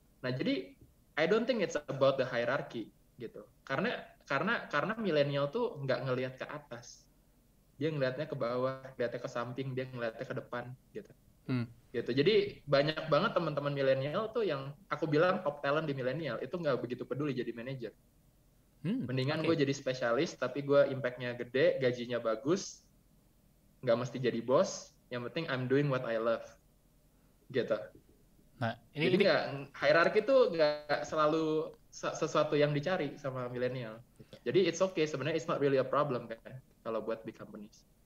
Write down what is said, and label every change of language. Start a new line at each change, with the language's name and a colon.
Indonesian: Nah jadi,
English: I don't think it's about the hierarchy
Indonesian: gitu. Karena milenial tuh nggak ngelihat ke atas. Dia ngelihatnya ke bawah, ngelihatnya ke samping, dia ngelihatnya ke depan gitu. Gitu. Jadi banyak banget teman-teman milenial tuh yang aku bilang top talent di milenial, itu nggak begitu peduli jadi manager. Mendingan gue jadi spesialis, tapi gue impact-nya gede, gajinya bagus, gak mesti jadi bos, yang penting
English: I'm doing what I love.
Indonesian: Gitu. Nah, Jadi gak, hierarki tuh gak selalu sesuatu yang dicari sama milenial. Gitu. Jadi
English: it's okay,
Indonesian: sebenarnya
English: it's not really a problem
Indonesian: kan, kalau buat
English: big companies.